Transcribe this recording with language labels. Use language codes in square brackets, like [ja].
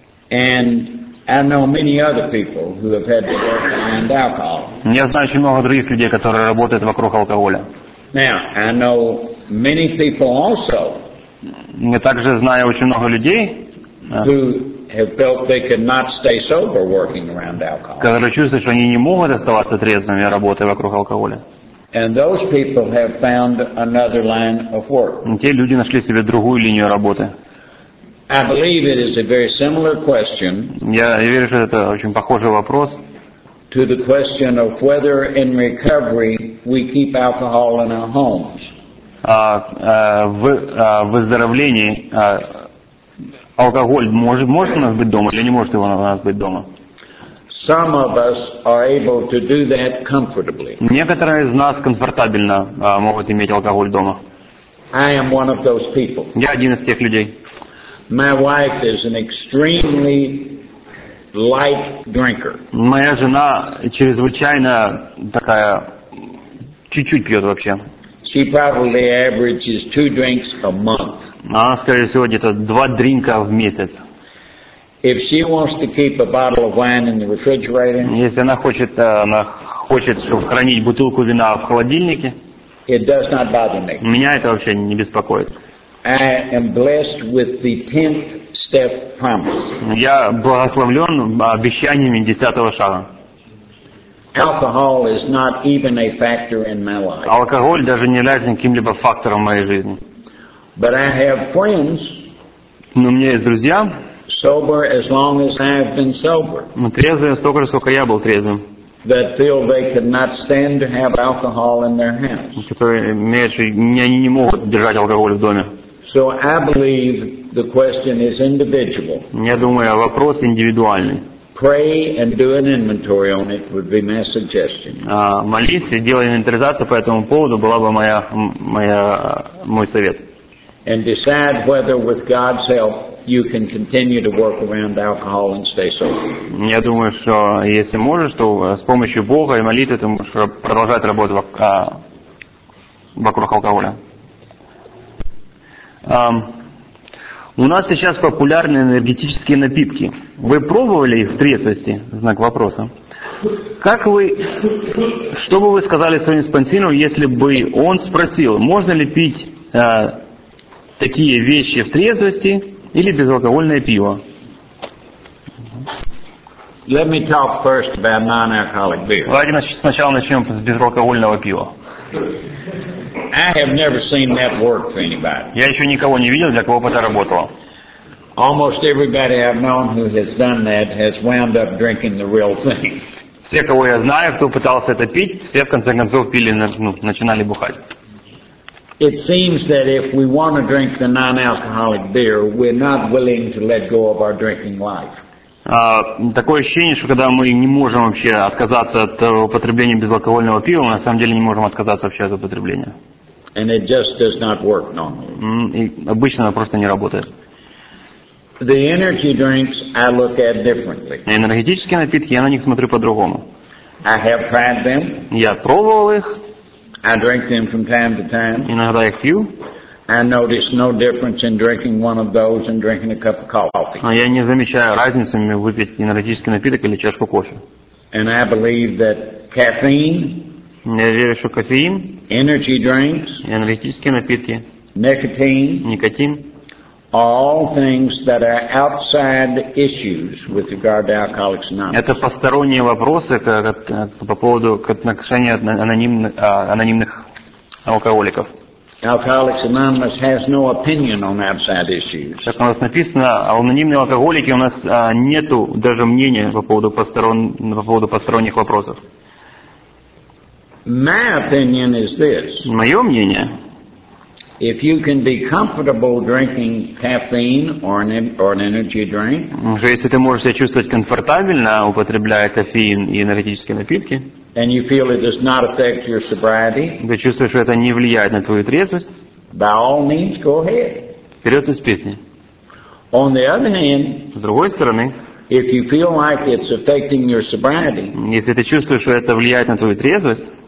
[ru] Я знаю очень много других людей, которые работают вокруг алкоголя. [en] Now, I know many people also. [ru] Я также знаю очень много людей, [en] who have felt they could not stay sober working around alcohol. [ru] Которые чувствуют, что они не могут оставаться трезвыми, работая вокруг алкоголя. [en] And those people have found another line of work. [ru] Те люди нашли себе другую линию работы. [en] I believe it is a very similar question. [ru] Я верю, что это очень похожий вопрос. [en] To the question of whether in recovery we keep alcohol in our homes. [ru] В выздоровлении. Алкоголь может у нас быть дома или не может его у нас быть дома? [en] Some of us are able to do that comfortably. [ru] Некоторые из нас комфортабельно могут иметь алкоголь дома. [en] I am one of those people. [ru] Я один из тех людей. [en] My wife is an extremely light drinker. [ru] Моя жена чрезвычайно такая, чуть-чуть пьет вообще. [en] She probably averages 2 drinks a month. [ru] Она, скорее всего, где-то 2 дринка в месяц. [en] If she wants to keep a bottle of wine in the refrigerator, [ru] если она хочет, чтобы хранить бутылку вина в холодильнике, [en] it does not bother me. [ru] Меня это вообще не беспокоит. [en] I am blessed with the 10th step promise. [ru] Я благословлен обещаниями 10-го шага. [en] Alcohol is not even a factor in my life. [ru] Алкоголь даже не является каким-либо фактором в моей жизни. [en] But I have friends. [ru] Но у меня есть друзья. [en] Sober as long as I have been sober. [ru] Трезвые столько же, сколько я был трезвым. [en] That feel they could not stand to have alcohol in their hands. [ru] Которые имеют, они не могут держать алкоголь в доме. [en] So I believe the question is individual. [ru] Я думаю, вопрос индивидуальный. [en] Pray and do an inventory on it would be my suggestion. [ru] Молиться, делать инвентаризацию по этому поводу была бы мой совет. [en] And decide whether with God's help you can continue to work around alcohol and stay sober. [ru] Я думаю, что если можешь, то с помощью Бога и молитвы ты можешь продолжать работу вокруг алкоголя. У нас сейчас популярны энергетические напитки. Вы пробовали их в трезвости? Знак вопроса. Что бы вы сказали своему спонсору, если бы он спросил, можно ли пить такие вещи в трезвости или безалкогольное пиво? [en] Let me talk first about non-alcoholic beer. [ru] Давайте сначала начнем с безалкогольного пива. [en] I have never seen that work for anybody. [ru] Я еще никого не видел, для кого бы это работало. [en] Almost everybody I've known who has done that has wound up drinking the real thing. [ru] Все, кого я знаю, кто пытался это пить, все в конце концов пили, начинали бухать. [en] It seems that if we want to drink the non-alcoholic beer, we're not willing to let go of our drinking life. [ru] Такое ощущение, что когда мы не можем вообще отказаться от употребления безалкогольного пива, мы на самом деле не можем отказаться вообще от употребления. [en] And it just does not work normally. [ru] Обычно оно просто не работает. [en] The energy drinks I look at differently. [ru] Энергетические напитки я на них смотрю по-другому. [en] I have tried them. [ru] Я пробовал их. [en] I drink them from time to time. [ru] Иногда их пью. [en] I notice no difference in drinking one of those and drinking a cup of coffee. [ru] А я не замечаю разницы между выпить энергетический напиток или чашку кофе. [en] And I believe that caffeine. [ru] Я верю, что кофеин, [en] energy drinks, [ru] энергетические напитки, [en] nicotine, [ru] никотин, [en] all things that are outside issues with regard to Alcoholics Anonymous. [ru] Это посторонние вопросы по поводу отношения анонимных алкоголиков. [en] Alcoholics Anonymous has no opinion on outside issues. [ru] Как у нас написано, анонимные алкоголики у нас нету даже мнения по поводу посторонних вопросов. [en] My opinion is this. [ru] Моё мнение. [en] If you can be comfortable drinking caffeine or an energy drink. [ru] Уже если ты можешь себя чувствовать комфортабельно, употребляя кофеин и энергетические напитки. [en] And you feel it does not affect your sobriety. [ru] Ты чувствуешь, что это не влияет на твою трезвость. [en] By all means, go ahead. [ru] Вперёд из песни. [en] On the other hand. [ru] С другой стороны. [en] If you feel like it's affecting your sobriety. [ru] Если ты чувствуешь, что это влияет на твою трезвость.